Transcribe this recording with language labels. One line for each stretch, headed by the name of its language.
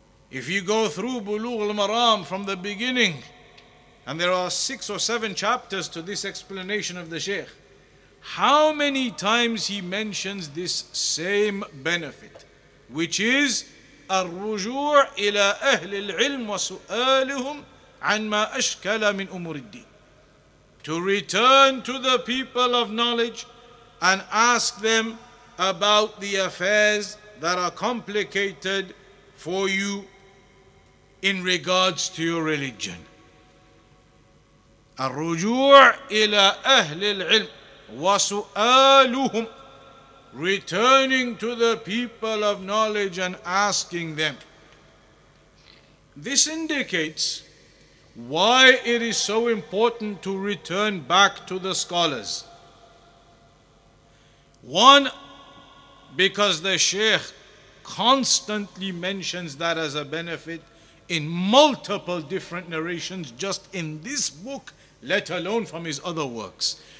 English: If you go through Bulugh al-Maram from the beginning, and there are 6 or 7 chapters to this explanation of the Shaykh, how many times he mentions this same benefit, which is
Arabic: الرجوع إلى أهل العلم وسؤالهم عن ما أشكل من أمور الدين.
English: To return to the people of knowledge and ask them about the affairs that are complicated for you in regards to your religion.
Arabic: الرجوع إلى أهل العلم وسؤالهم.
English: Returning to the people of knowledge and asking them. This indicates why it is so important to return back to the scholars. One, because the Shaykh constantly mentions that as a benefit in multiple different narrations, just in this book, let alone from his other works.